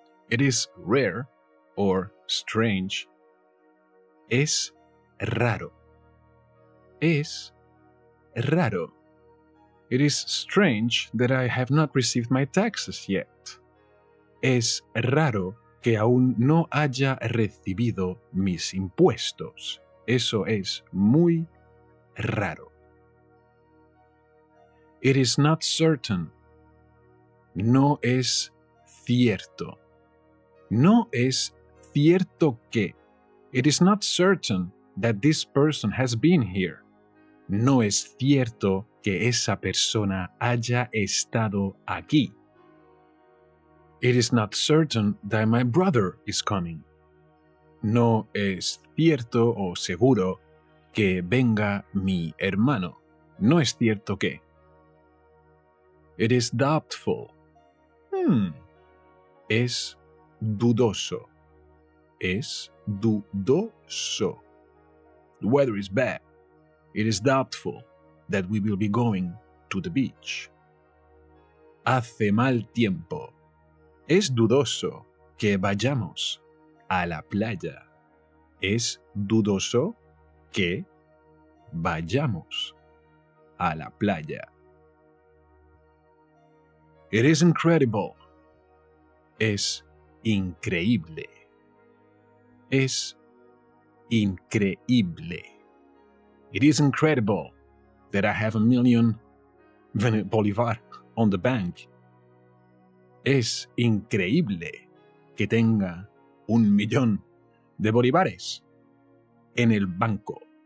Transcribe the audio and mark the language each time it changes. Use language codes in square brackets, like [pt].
[en] It is rare or strange. [es] Es raro. Es raro. [en] It is strange that I have not received my taxes yet. [es] Es raro que aún no haya recibido mis impuestos. Eso es muy raro. [en] It is not certain. [es] No es cierto. No es cierto que. [en] It is not certain that this person has been here. [es] No es cierto que esa persona haya estado aquí. [en] It is not certain that my brother is coming. [es] No es cierto o seguro que venga mi hermano. No es cierto que. [en] It is doubtful. [es] Es dudoso. Es dudoso. [en] The weather is bad. It is doubtful that we will be going to the beach. [es] Hace mal tiempo. Es dudoso que vayamos a la playa. Es dudoso que vayamos a la playa. [en] It is incredible. [es] Es increíble. Es increíble. [en] It is incredible that I have a million bolívar on the bank. [es] Es increíble que tenga un millón de bolívares en el banco.